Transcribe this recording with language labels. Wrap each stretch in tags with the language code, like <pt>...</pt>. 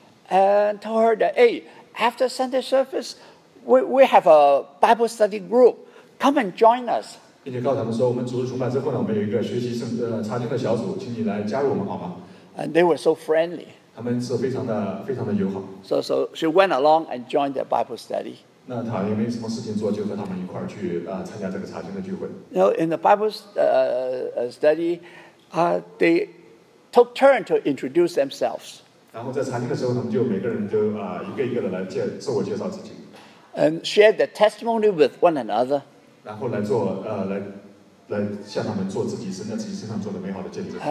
<en>and told her that hey, after Sunday service we have a Bible study group come and join us</en> <zh>并且告诉他们说我们主日崇拜之后呢我们有一个学习圣查经的小组请你来加入我们好吗</zh> <en>and they were so friendly</en> <zh>他们是非常的友好</zh> <en>so she went along and joined their Bible study</en> <zh>那他也没什么事情做就和他们一块去参加这个查经的聚会</zh> <en>you know, in the Bible study they took turn to introduce themselves</en> <zh>然后在查经的时候他们就每个人都一个一个的来自我介绍自己</zh> <en>and shared their testimony with one another</en> <zh>然后来做来向他们做自己在自己身上做的美好的见证</zh>